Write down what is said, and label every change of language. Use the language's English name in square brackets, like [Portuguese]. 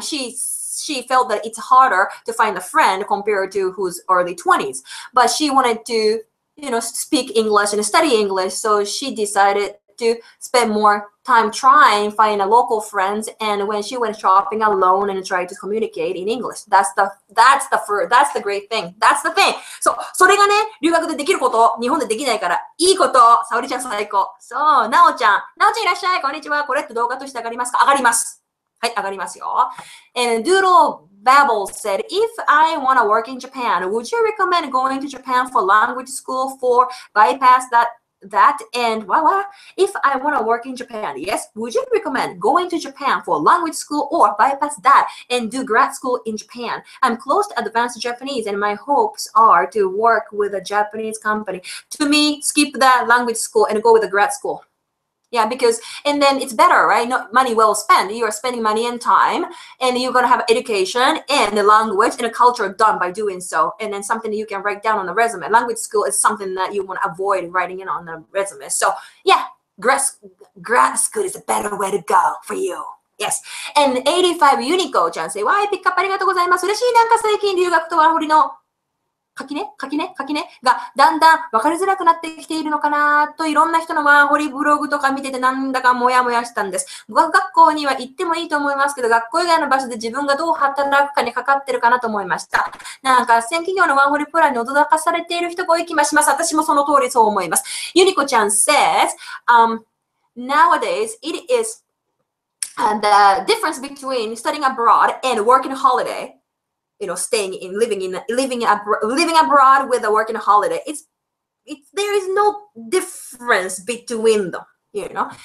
[English] She felt that it's harder to find a friend compared to who's early 20s. But she wanted to, you know, speak English and study English. So she decided to spend more time trying to find a local friends. And when she went shopping alone and tried to communicate in English, that's the great thing. That's the thing. So, [Japanese] それがね、留学でできること、日本でできないから、いいこと、沙織ちゃん最高。そう、奈緒ちゃん。奈緒ちゃんいらっしゃい。こんにちは。これって動画として上がりますか？上がります。はい、上がりますよ。 [English] And Doodle Babble said, if I want to work in Japan, would you recommend going to Japan for language school for bypass that and voila, if I want to work in Japan, yes, would you recommend going to Japan for language school or bypass that and do grad school in Japan? I'm close to advanced Japanese and my hopes are to work with a Japanese company. To me, skip that language school and go with a grad school. Yeah, because, and then it's better, right? Not money well spent. You are spending money and time and you're going to have education and the language and a culture done by doing so. And then something you can write down on the resume. Language school is something that you want to avoid writing in on the resume. So yeah, grad school is a better way to go for you Yes. And 85 Unico ちゃん say, why pick up [Japanese] ありがとうございます。嬉しい。なんか最近留学とワーホリの垣根、垣根、垣根がだんだん分かりづらくなってきているのかなといろんな人のワーホリブログとか見ててなんだかモヤモヤしたんです。語学学校には行ってもいいと思いますけど、学校以外の場所で自分がどう働くかにかかってるかなと思いました。なんか先企業のワーホリプランに驚かされている人ご意気まします。私もその通りそう思います。 [English] ユニコちゃん says, nowadays it is the difference between studying abroad and working holiday. You know, staying in, living abroad with a working holiday. There is no difference between them, you know.